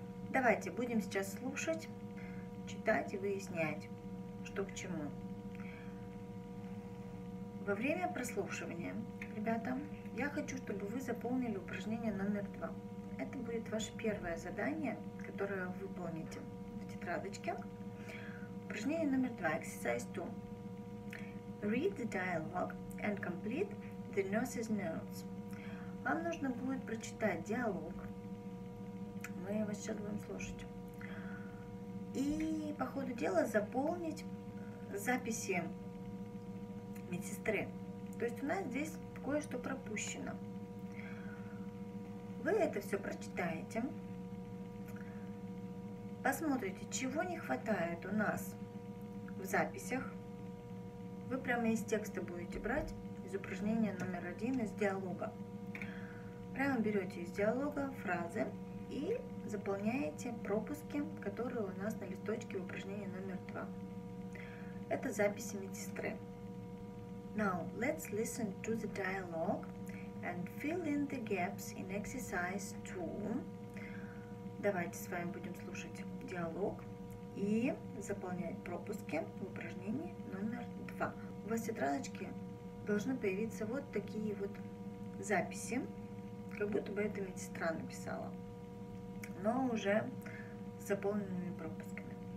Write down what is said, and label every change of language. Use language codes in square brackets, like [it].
[ru] Давайте будем сейчас слушать, читать и выяснять, что к чему. Во время прослушивания, ребята, я хочу, чтобы вы заполнили упражнение номер 2. Это будет ваше первое задание, которое вы выполните в тетрадочке. Упражнение номер 2, [en] exercise 2. Read the dialogue and complete the nurse's notes. [ru] Вам нужно будет прочитать диалог. Мы его сейчас будем слушать. И по ходу дела заполнить записи медсестры. То есть у нас здесь кое-что пропущено. Вы это все прочитаете. Посмотрите, чего не хватает у нас в записях. Вы прямо из текста будете брать, из упражнения номер 1, из диалога. Прямо берете из диалога фразы и заполняете пропуски, которые у нас на листочке в упражнении номер 2. Это записи медсестры. [en] Now, let's listen to the dialogue and fill in the gaps in exercise 2. [ru] Давайте с вами будем слушать диалог и заполнять пропуски в упражнении номер 2. У вас в тетрадочке должны появиться вот такие вот записи, как будто бы это медсестра написала, но уже с заполненными пропусками.